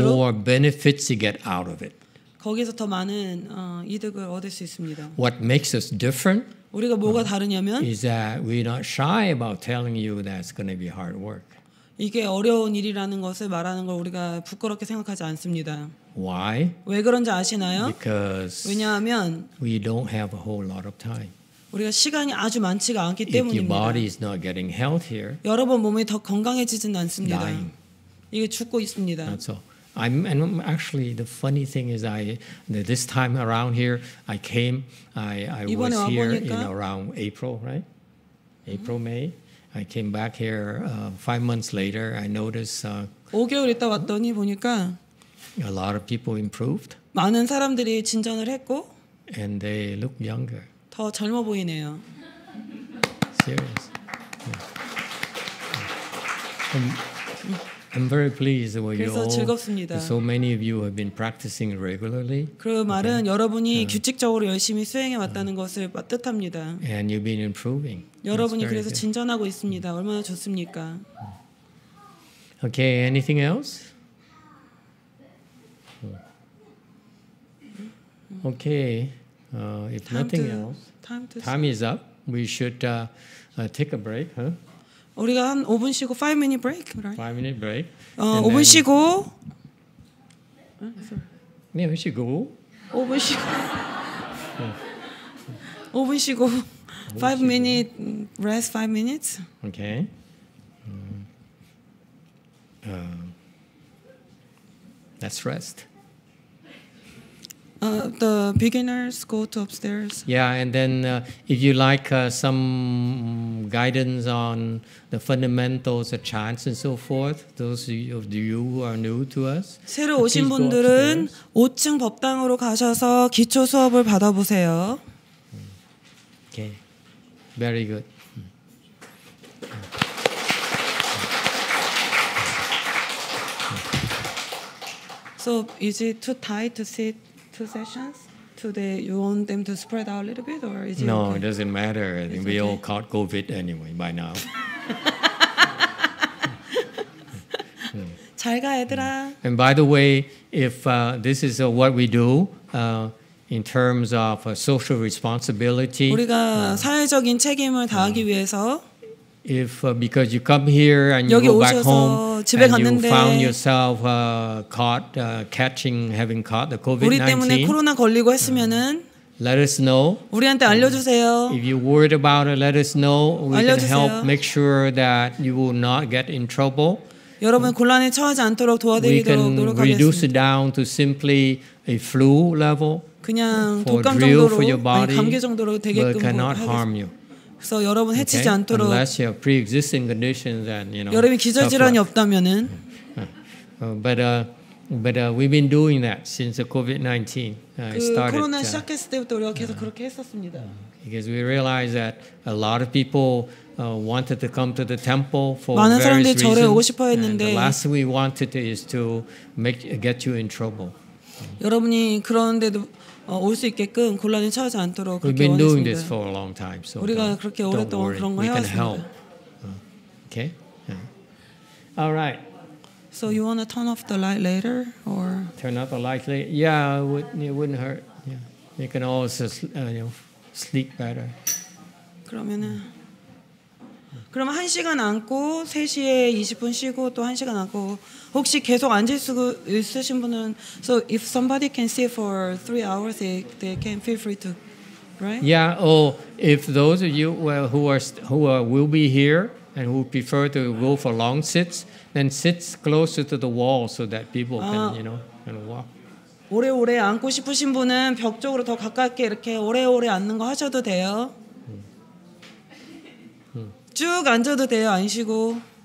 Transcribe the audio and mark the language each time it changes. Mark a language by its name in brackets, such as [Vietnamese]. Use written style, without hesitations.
[English] the more benefits you get out of it. [Korean] 거기서 더 많은 이득을 얻을 수 있습니다. [English] What makes us different? [Korean] 우리가 뭐가 다르냐면 [English] is that we're not shy about telling you that it's going to be hard work. [Korean] 이게 어려운 일이라는 것을 말하는 걸 우리가 부끄럽게 생각하지 않습니다. [English] Why? [Korean] 왜 그런지 아시나요? [English] Because [Korean] 왜냐하면 [English] we don't have a whole lot of time. [Korean] 우리가 시간이 아주 많지가 않기 [English] If [Korean] 때문입니다. [English] Your body is not getting healthier. [Korean] 여러분 몸이 더 건강해지진 않습니다. [English] Dying. [Korean] 이게 죽고 있습니다. [English] That's all. I'm actually the funny thing is this time around here I came I was [Korean] 와보니까? [English] here in around April, right? April May. I came back here 5 months later. I noticed [Korean] 5개월 있다 왔더니 보니까 [English] A lot of people improved. [Korean] 많은 사람들이 진전을 했고. [English] And they look younger. [Korean] 더 젊어 보이네요. [English] Serious. Yeah. I'm very pleased with you all. [Korean] 그래서 즐겁습니다. [English] So many of you have been practicing regularly. [Korean] 그 말은 여러분이 규칙적으로 열심히 수행해 왔다는 것을 뜻합니다. [English] And you've been improving. [Korean] 여러분이 그래서 진전하고 있습니다. 얼마나 좋습니까? [English] Okay, anything else? Okay. If time nothing to, else, time, to time is up. We should take a break, huh? [Korean] 우리가 한 5분 쉬고 [English] 5-minute break, right? 5-minute break. [Korean] 5분 then, 쉬고. 네, 5분 쉬고. 5분 쉬고. 5분 쉬고. [English] 5-minute rest. 5 minutes. Okay. Let's rest. The beginners go to upstairs. Yeah, and then if you like some guidance on the fundamentals, the chants, and so forth, those of you who are new to us, [Korean] 새로 오신 분들은 5층 법당으로 가셔서 기초 수업을 받아보세요. [English] Okay, very good. So is it too tight to sit? Two sessions? Today, you want them to spread out a little bit, or is it No, okay? it doesn't matter. I think we okay. all caught COVID anyway by now. [Korean] 잘 가, 애들아. [English] And by the way, if this is what we do in terms of social responsibility, [Korean] 우리가 사회적인 책임을 다하기 위해서. [English] If because you come here and you go back home and you found yourself having caught the COVID-19, [Korean] 우리 때문에 코로나 걸리고 했으면은 [English] let us know. [Korean] 우리한테 알려주세요. [English] If you're worried about it, let us know. We [Korean] 알려주세요. [English] can help make sure that you will not get in trouble. [Korean] 여러분 곤란에 처하지 않도록 도와드리도록 노력하겠습니다. [English] We can reduce it down to simply a flu level. [Korean] 그냥 독감 정도로 아니 감기 정도로 되게끔 하겠습니다. 그래서 여러분 해치지 않도록 [English] unless you have pre-existing conditions and you know [Korean] 여러분 기저질환이 없다면은 [English] but we've been doing that since the COVID-19 started. [Korean] 코로나 시작했을 때부터 우리가 계속 그렇게 했었습니다. [English] Because we realized that a lot of people wanted to come to the temple for various reasons. [Korean] 많은 사람들이 절에 오고 싶어 했는데 [English] the last thing we wanted is to make get you in trouble. [Korean] 여러분이 그런데도 올 수 있게끔 곤란에 처하지 않도록 그렇게 [English] We've been doing this for a long time, so [Korean] 우리가 그렇게 오랫동안 그런 거 해왔습니다. [English] Okay. Yeah. All right. So you want to turn off the light later, or turn off the light later? Yeah, it wouldn't hurt. Yeah, you can always sleep better. [Korean] 그러면은 그럼 한 시간 앉고 3시에 20분 쉬고 또 한 시간 앉고 혹시 계속 앉을 수 있으신 분은 [English] so if somebody can sit for 3 hours, they can feel free to, right? Yeah. Oh, if those of you will be here and who prefer to go for long sits, then sits closer to the wall so that people can walk. [Korean] 오래 앉고 싶으신 분은 벽 쪽으로 더 가깝게 이렇게 오래 앉는 거 하셔도 돼요. 쭉 앉아도 돼요. 안 쉬고.